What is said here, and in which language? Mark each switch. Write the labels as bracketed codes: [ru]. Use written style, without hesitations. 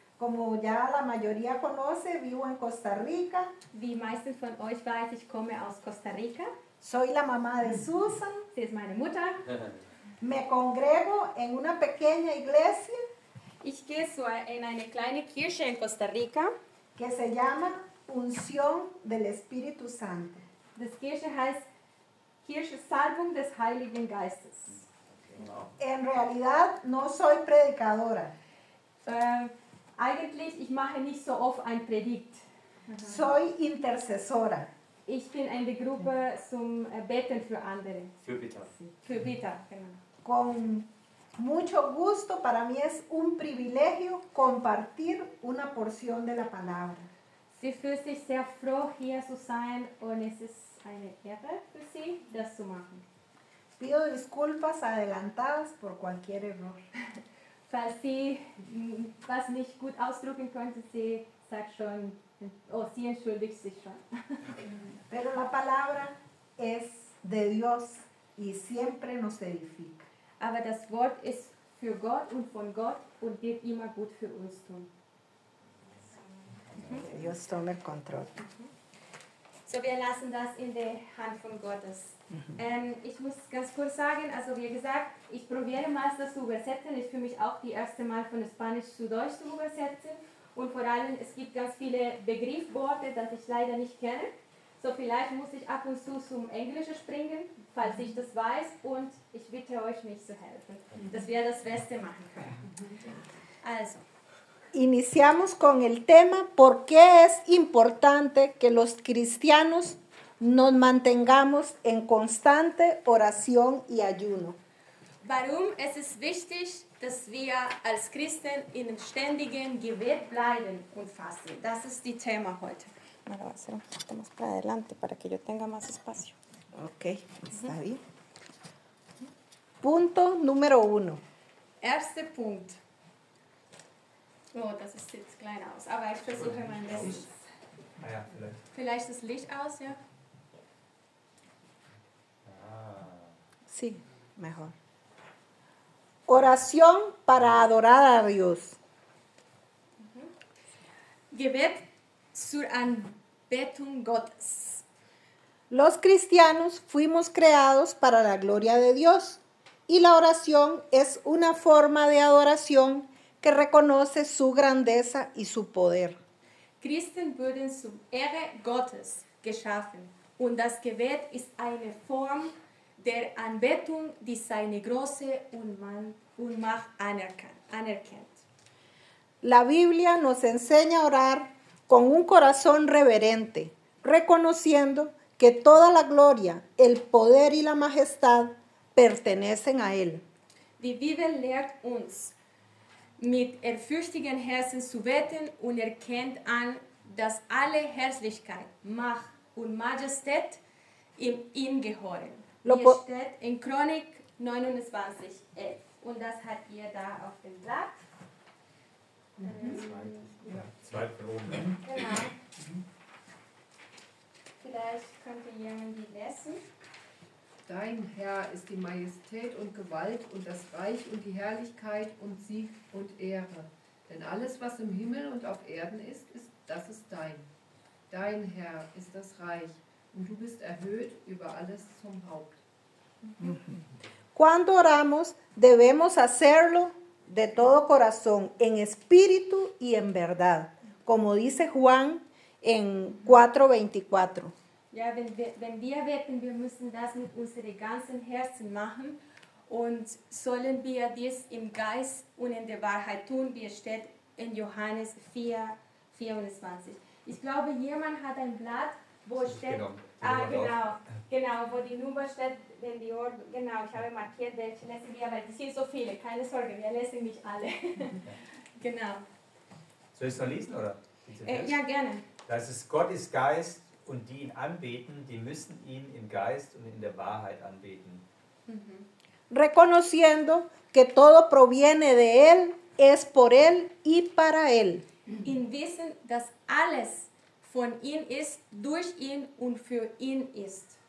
[es] Como ya la mayoría conoce, vivo en Costa Rica. [de] Wie meisten von euch weiß, ich komme aus Costa Rica. [es] Soy la mamá de Susan. [de] Sie ist meine Mutter. [es] Me congrego en una pequeña iglesia. [de] Ich gehe so in eine kleine Kirche in Costa Rica. [es] Que se llama Unción del Espíritu Santo. [de] Das Kirche heißt Kirche Salbung des Heiligen Geistes. [es] En realidad no soy predicadora. [de] Eigentlich ich mache nicht so oft ein Predigt. [es] Soy intercesora. [de] Ich bin in der Gruppe zum Beten für andere. Für Bitter, genau. [es] Con mucho gusto, para mí es un privilegio compartir una porción de la palabra. [de] Sie fühlt sich sehr froh hier zu sein und es ist eine Ehre für sie, das zu machen. [es] Pido disculpas adelantadas por cualquier error. [de] Falls sie was nicht gut ausdrücken könnte, sie sagt schon, oh, sie entschuldigt sich schon. [es] Pero la palabra es de Dios y siempre nos edifica. [de] Aber das Wort ist für Gott und von Gott und wird immer gut für uns tun. [es] Dios toma el control. [de] So, wir lassen das in der Hand von Gottes. Ich muss ganz kurz sagen, also wie gesagt, ich probiere meist das zu übersetzen. Ich fühle mich auch die erste Mal von Spanisch zu Deutsch zu übersetzen. Und vor allem, es gibt ganz viele Begriffsworte, das ich leider nicht kenne. So, vielleicht muss ich ab und zu zum Englischen springen, falls ich das weiß. Und ich bitte euch, mich zu helfen, dass wir das Beste machen können. Also. [es] Iniciamos con el tema, ¿por qué es importante que los cristianos nos mantengamos en constante oración y ayuno? [de] Warum es es wichtig, dass wir als Christen in ständigem Gebet bleiben und fasten? Das ist die Thema heute. [es] Me lo voy a hacer un poquito más para adelante para que yo tenga más espacio. Okay, está bien. Punto número uno. [de] Erste Punkt. Oh, das ist jetzt klein aus, aber ich versuche mein Bestes. Vielleicht das Licht aus, ja? [es] Sí, mejor. Oración para adorar a Dios. [de] Gebet zur Anbetung Gottes. [es] Los cristianos fuimos creados para la gloria de Dios y la oración es una forma de adoración que reconoce su grandeza y su poder. [de] Christen wurden zum Ehre Gottes geschaffen und das Gebet ist eine Form der Anbetung, die seine große Unmacht anerkennt. [es] La Biblia nos enseña a orar con un corazón reverente, reconociendo que toda la gloria, el poder y la majestad pertenecen a él. [de] Die Bibel lehrt uns, mit ehrfürchtigen Herzen zu beten und erkennt an, dass alle Herrlichkeit, Macht und Majestät ihm gehören. Hier steht in Chronik 29, 11. Und das hat ihr da auf dem Blatt. Zwei von oben. Genau. Vielleicht könnte jemand die lesen. Dein Herr ist die Majestät und Gewalt und das Reich und die Herrlichkeit und Sieg und Ehre. Denn alles, was im Himmel und auf Erden ist, ist das ist dein. Dein Herr ist das Reich und du bist erhöht über alles zum Haupt. [es] Cuando oramos, debemos hacerlo de todo corazón, en espíritu y en verdad. Como dice Juan en 4:24. [de] Ja, wenn wir beten, wir müssen das mit unserem ganzen Herzen machen und sollen wir dies im Geist und in der Wahrheit tun, wie es steht in Johannes 4:24. Ich glaube, jemand hat ein Blatt, wo es steht, wo die Nummer steht, wenn die Ohren, genau, ich habe markiert, welche lesen wir, weil es sind so viele, keine Sorge, wir lesen nicht alle. Genau. Soll ich es noch lesen, oder? Ja, gerne. Das ist Gott ist Geist. Und die ihn anbeten, die müssen ihn im Geist und in der Wahrheit anbeten. [es] Reconociendo que todo proviene de él, es por él y para él. [de] In wissen, dass alles von ihm ist, durch ihn und für ihn ist.